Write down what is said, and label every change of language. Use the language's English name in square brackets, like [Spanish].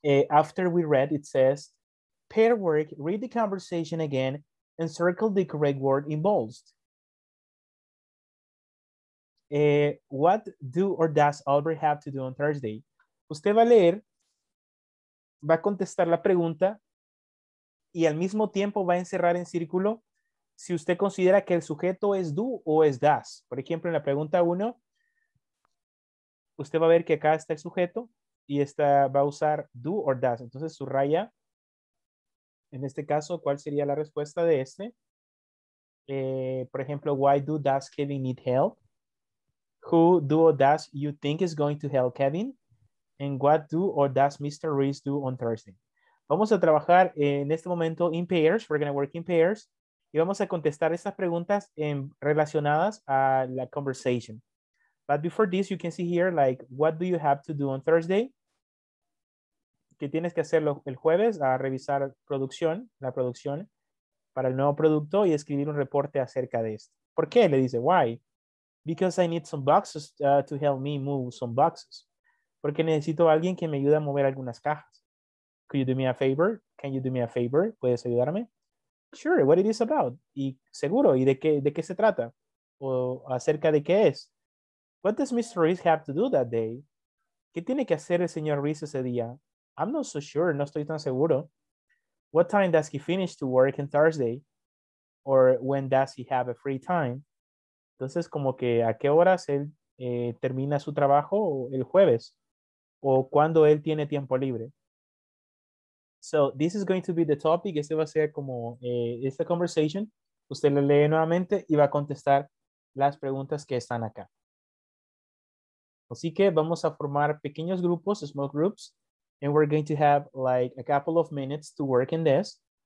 [English] After we read, it says, pair work, read the conversation again, and circle the correct word involved. What do or does Albert have to do on Thursday? [Spanish] Usted va a leer, va a contestar la pregunta, y al mismo tiempo va a encerrar en círculo si usted considera que el sujeto es do o es does. Por ejemplo, en la pregunta 1, usted va a ver que acá está el sujeto y esta va a usar do or does. Entonces, subraya, en este caso, ¿cuál sería la respuesta de este? [English] Por ejemplo, why do does Kevin need help? Who do or does you think is going to help Kevin? And what do or does Mr. Reese do on Thursday? [Spanish] Vamos a trabajar en este momento [English] in pairs. We're going to work in pairs. [Spanish] Y vamos a contestar estas preguntas en relacionadas a la conversation. [English] But before this, you can see here, like, what do you have to do on Thursday? [Spanish] ¿Qué tienes que hacer el jueves? A revisar producción, la producción para el nuevo producto y escribir un reporte acerca de esto. ¿Por qué? Le dice, [English] why? Because I need some boxes to help me move some boxes. [Spanish] Porque necesito a alguien que me ayude a mover algunas cajas. [English] Could you do me a favor? Can you do me a favor? [Spanish] ¿Puedes ayudarme? [English] Sure, what it is about? [Spanish] Y seguro, ¿y de qué se trata? O acerca de qué es. [English] What does Mr. Reese have to do that day? [Spanish] ¿Qué tiene que hacer el señor Reese ese día? [English] I'm not so sure, [Spanish] no estoy tan seguro. [English] What time does he finish to work on Thursday? Or when does he have a free time? [Spanish] Entonces, como que, ¿a qué horas él termina su trabajo el jueves? ¿O cuándo él tiene tiempo libre? [English] So, this is going to be the topic. [Spanish] Este va a ser como esta conversation. Usted lo lee nuevamente y va a contestar las preguntas que están acá. Así que vamos a formar pequeños grupos, [English] small groups. And we're going to have like a couple of minutes to work in this.